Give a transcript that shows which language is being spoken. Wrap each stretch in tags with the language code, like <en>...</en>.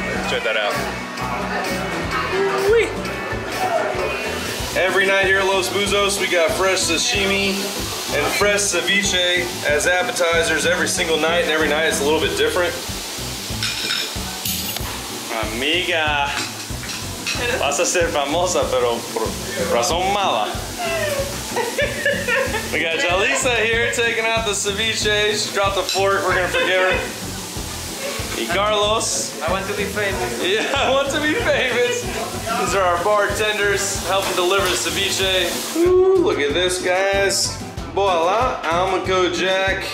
<en>Check that out. Every night here at Los Buzos, we got fresh sashimi and fresh ceviche as appetizers every single night, and every night it's a little bit different.</en> <es>Amiga. Vas a ser famosa, pero por razón mala.</es> <en>We got Jalisa here taking out the ceviche. She dropped the fork. We're gonna forgive her. Y Carlos. I want to be famous. Yeah, I want to be famous. These are our bartenders helping deliver the ceviche. Ooh, look at this, guys. Voila, Amico Jack.</en>